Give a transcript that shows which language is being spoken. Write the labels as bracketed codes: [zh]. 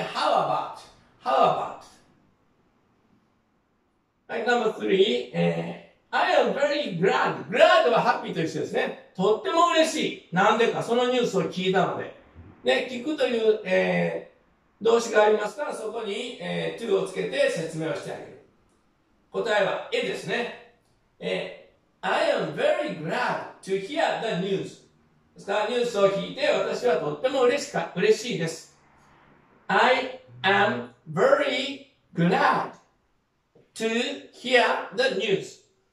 [en] How about? はい、number three. I am very glad. Glad [ja] ばハッピーと一緒ですね。とっても嬉しい。なんでか、そのニュースを聞いたので。ね、聞くという、動詞がありますから、そこに、to をつけて説明をしてあげる。答えは、A ですね。 [en] I am very glad to hear the news. [ja] ですから、ニュースを聞いて、私はとっても嬉しいです。 [en] I am very glad to hear the news.